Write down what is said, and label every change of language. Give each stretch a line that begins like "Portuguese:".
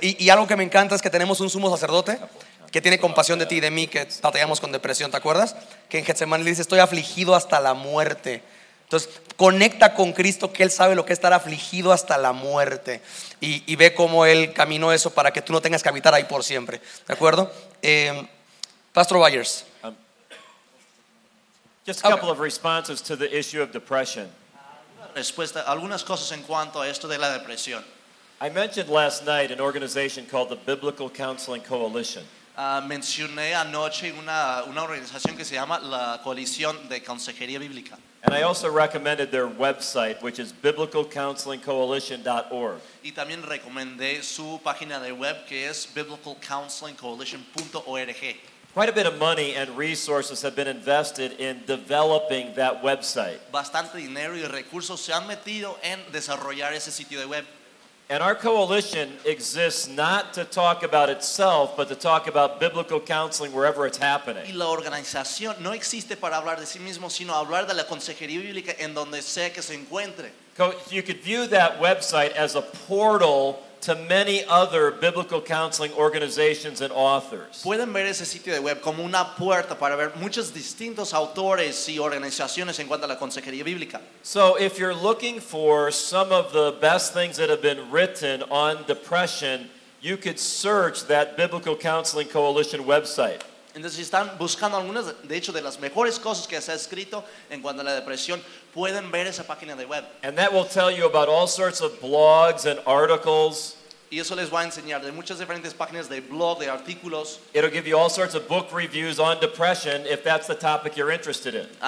Spanish: Y algo que me encanta es que tenemos un sumo sacerdote que tiene compasión de ti y de mí, que batallamos con depresión, ¿te acuerdas? Que en Getsemaní dice, estoy afligido hasta la muerte. Entonces, conecta con Cristo, que Él sabe lo que es estar afligido hasta la muerte. Y ve cómo Él caminó eso para que tú no tengas que habitar ahí por siempre. ¿De acuerdo? Pastor Byers.
English: Just a couple of responses to the issue of depression.
Spanish: Respuesta, algunas cosas en cuanto a esto de la depresión.
English: I mentioned last night an organization called the Biblical Counseling Coalition.
Spanish: Mencioné anoche una organización que se llama la Coalición de Consejería Bíblica.
English: And I also recommended their website, which is biblicalcounselingcoalition.org.
Spanish: Y también recomendé su página de web, que es biblicalcounselingcoalition.org.
English: Quite a bit of money and resources have been invested in developing that website.
Spanish: Bastante dinero y recursos se han metido en desarrollar ese sitio de web.
English: And our coalition exists not to talk about itself, but to talk about biblical counseling wherever it's happening.
Spanish: Y la organización no existe para hablar de sí mismo, sino hablar de la consejería bíblica en donde sea que se encuentre.
English: You could view that website as a portal to many other biblical counseling organizations and authors.
Spanish: Pueden ver ese sitio de web como una puerta para ver muchos distintos autores y organizaciones en cuanto a la consejería bíblica.
English: So if you're looking for some of the best things that have been written on depression, you could search that Biblical Counseling Coalition website.
Spanish: Entonces, si están buscando algunas, de hecho, de las mejores cosas que se ha escrito en cuanto a la depresión, pueden ver esa página de web.
English: And that will tell you about all sorts of blogs and articles.
Spanish: Y eso les va a enseñar de muchas diferentes páginas de blog, de artículos.
English: It'll give you all sorts of book reviews on depression if that's the topic you're interested in.